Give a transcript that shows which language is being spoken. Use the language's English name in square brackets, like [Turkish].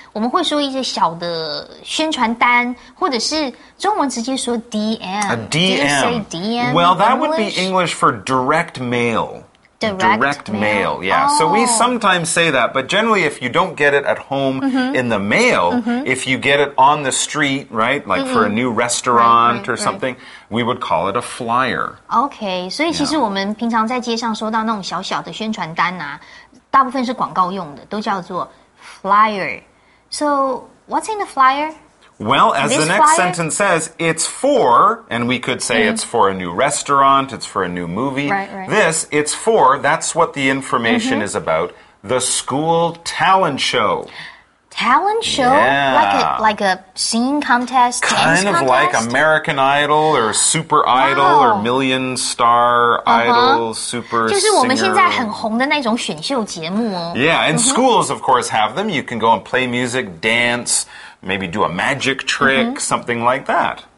[Chinese] 我们会说一些小的宣传单，或者是中文直接说 DM. [English] A DM. Did you say DM? Well, that would be English for direct mail. Direct mail. Yeah. Oh. So we sometimes say that, but generally if you don't get it at home in the mail, if you get it on the street, right, like for a new restaurant or something, we would call it a flyer. [Chinese] Okay, 所以其实我们平常在街上收到那种小小的宣传单啊大部分是广告用的都叫做 flyer. [English] So, what's in the flyer? Well, as the next sentence says, it's for, and we could say it's for a new restaurant, it's for a new movie. Right. This, it's for, that's what the information is about, the school talent show. Talent show? Yeah. Like a singing contest? Kind of like American Idol or Super Idol or Million Star Idol, Super Singer. [Chinese] 就是我们现在很红的那种选秀节目哦。 [English] Yeah, and schools, of course, have them. You can go and play music, dance, maybe do a magic trick, something like that.